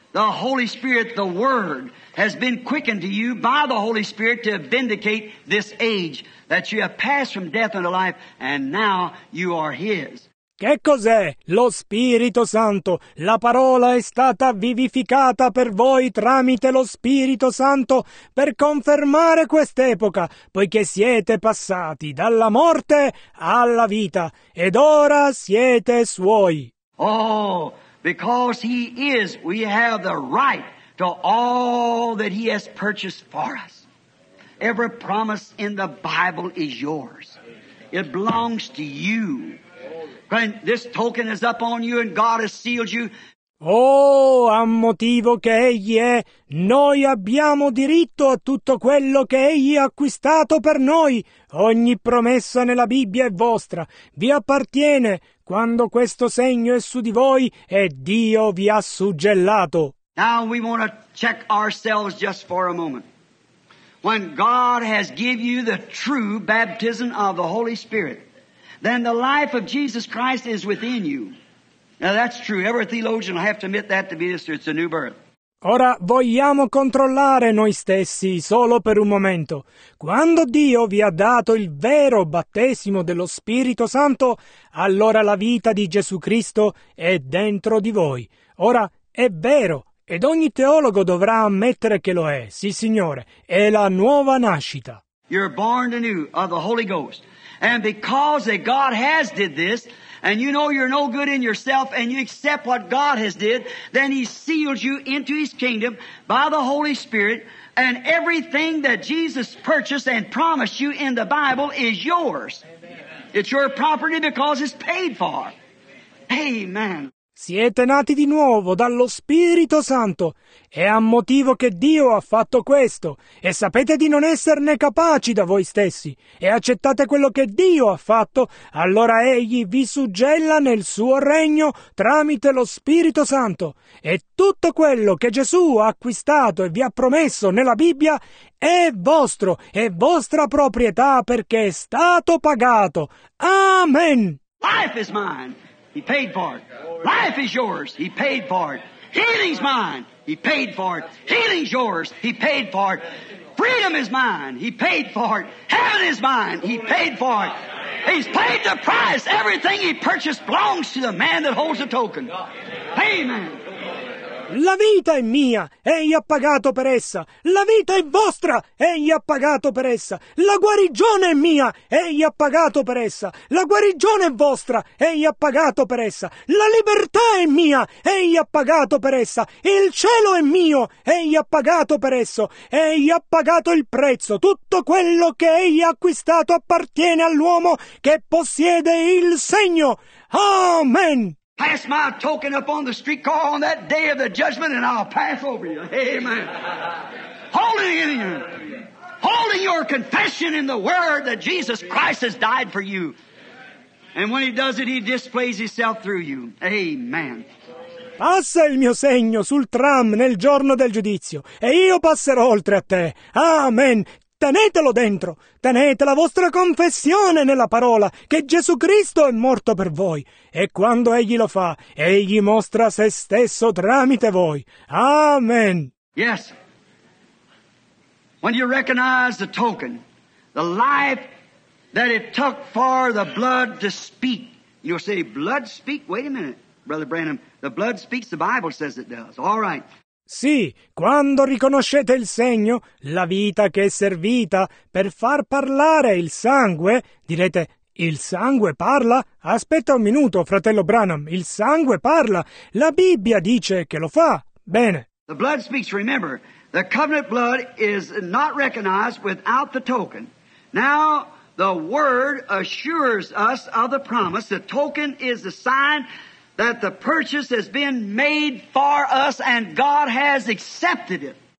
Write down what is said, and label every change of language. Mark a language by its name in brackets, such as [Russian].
[English] The Holy Spirit, the Word, has been quickened to you by the Holy Spirit to vindicate this age, that you have passed from death unto life, and now you are His. [Italian] Che cos'è? Lo Spirito Santo. La parola è stata vivificata per voi tramite lo Spirito Santo per confermare quest'epoca, poiché siete passati dalla morte alla vita, ed ora siete Suoi. [English] Oh, because He is, we have the right to all that He has purchased for us. Every promise in the Bible is yours. It belongs to you. And this token is up on you and God has sealed you. [Italian] Oh, a motivo che egli è, noi abbiamo diritto a tutto quello che egli ha acquistato per noi. Ogni promessa nella Bibbia è vostra, vi appartiene. Quando questo segno è su di voi e Dio vi ha suggellato. [English] Now we want to check ourselves just for a moment. When God has given you the true baptism of the Holy Spirit, then the life of Jesus Christ is within you. Now that's true. Every theologian will have to admit that to be this. It's a new birth. [Italian] Ora vogliamo controllare noi stessi solo per un momento. Quando Dio vi ha dato il vero battesimo dello Spirito Santo, allora la vita di Gesù Cristo è dentro di voi. Ora è vero, ed ogni teologo dovrà ammettere che lo è. Sì, Signore, è la nuova nascita. [English] You're born anew of the Holy Ghost. And because that God has did this, and you know you're no good in yourself, and you accept what God has did, then He seals you into His kingdom by the Holy Spirit, and everything that Jesus purchased and promised you in the Bible is yours. Amen. It's your property because it's paid for. Amen. [Italian] Siete nati di nuovo dallo Spirito Santo. È a motivo che Dio ha fatto questo. E sapete di non esserne capaci da voi stessi. E accettate quello che Dio ha fatto, allora Egli vi suggella nel suo regno tramite lo Spirito Santo. E tutto quello che Gesù ha acquistato e vi ha promesso nella Bibbia è vostro, è vostra proprietà perché è stato pagato. Amen! [English] Life is mine! He paid for it. Life is yours. He paid for it. Healing's mine. He paid for it. Healing's yours. He paid for it. Freedom is mine. He paid for it. Heaven is mine. He paid for it. He's paid the price. Everything he purchased belongs to the man that holds the token. Amen. [Italian] La vita è mia, egli ha pagato per essa. La vita è vostra, egli ha pagato per essa. La guarigione è mia, egli ha pagato per essa. La guarigione è vostra, egli ha pagato per essa. La libertà è mia, egli ha pagato per essa. Il cielo è mio, egli ha pagato per esso. Egli ha pagato il prezzo. Tutto quello che egli ha acquistato appartiene all'uomo che possiede il segno. Amen. [English] Pass my token up on the streetcar on that day of the judgment and I'll pass over you. Amen. Holding it in you. Holding your confession in the word that Jesus Christ has died for you. And when he does it, he displays himself through you. Amen. [Italian] Passa il mio segno sul tram nel giorno del giudizio e io passerò oltre a te. Amen. Tenetelo dentro, tenete la vostra confessione nella parola che Gesù Cristo è morto per voi. E quando Egli lo fa, Egli mostra se stesso tramite voi. Amen. [English] Yes. When you recognize the token, the life that it took for the blood to speak, you'll say, blood speak? Wait a minute, Brother Branham. The blood speaks, the Bible says it does. All right. [Italian] Sì, quando riconoscete il segno, la vita che è servita per far parlare il sangue, direte, il sangue parla? Aspetta un minuto, fratello Branham, il sangue parla? La Bibbia dice che lo fa. Bene. [English] The blood speaks, remember, the covenant blood is not recognized without the token. Now, the word assures us of the promise, the token is the sign that the purchase has been made for us and God has accepted it.